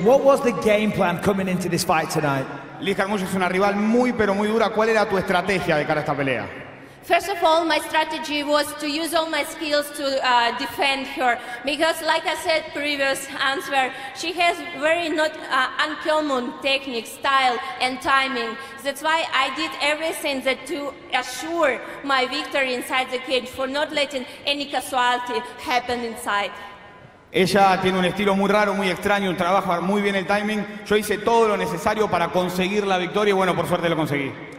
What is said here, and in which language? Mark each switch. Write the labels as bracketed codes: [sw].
[en] What was the game plan coming into this fight tonight? [es] Liz Cormier es una rival muy, pero muy dura. ¿Cuál era tu estrategia de cara a esta pelea? [en] First of all, my strategy was to use all my skills to defend her, because like I said previous answer, she has very not uncommon technique, style and timing. That's why I did everything that to assure my victory inside the cage, for not letting any casualty happen inside. [es] Ella tiene un estilo muy raro, muy extraño, trabaja muy bien el timing. Yo hice todo lo necesario para conseguir la victoria y bueno, por suerte lo conseguí.